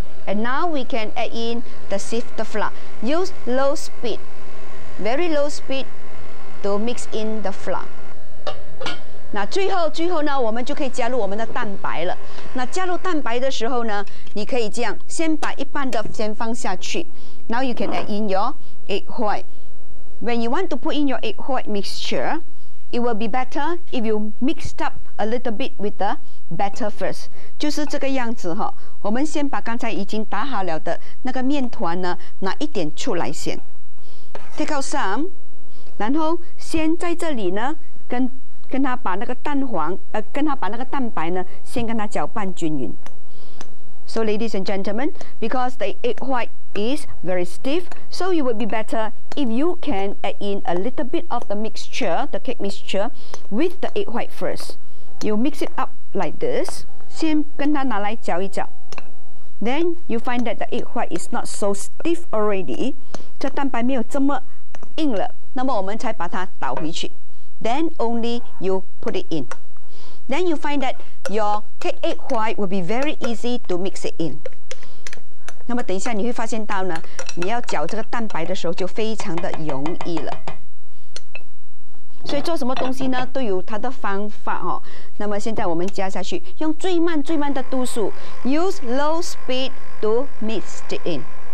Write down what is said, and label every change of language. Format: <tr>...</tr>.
<en>And now we can add in the sift flour. Use low speed, very low speed, to mix in the flour.</en> <zh>那最后呢，我们就可以加入我们的蛋白了。那加入蛋白的时候呢，你可以这样，先把一半的先放下去。</zh> <en>Now you can add in your egg white. When you want to put in your egg white mixture. It will be better if you mixed up a little bit with the batter first.</en> <zh>就是这个样子哈、哦。我们先把刚才已经打好了的那个面团呢，拿一点出来先。</zh> <en>Take out some,</en> <zh>然后先在这里呢，跟他把那个蛋黄，跟他把那个蛋白呢，先跟他搅拌均匀。</zh> <en>So, ladies and gentlemen, because the egg white is very stiff, so it would be better if you can add in a little bit of the mixture, the cake mixture, with the egg white first. You mix it up like this.</en> <zh>先跟它拿来搅一搅。</zh> <en>then you find that the egg white is not so stiff already.</en> <zh>这蛋白没有这么硬了，那么我们才把它倒回去。</zh> <en>Then only you put it in. Then you find that your cake egg white will be very easy to mix it in.</en> <zh>那么等一下你会发现到呢，你要搅这个蛋白的时候就非常的容易了。所以做什么东西呢，都有它的方法哦。那么现在我们加下去，用最慢最慢的度数 ，</zh> <en>use low speed to mix it in.</en>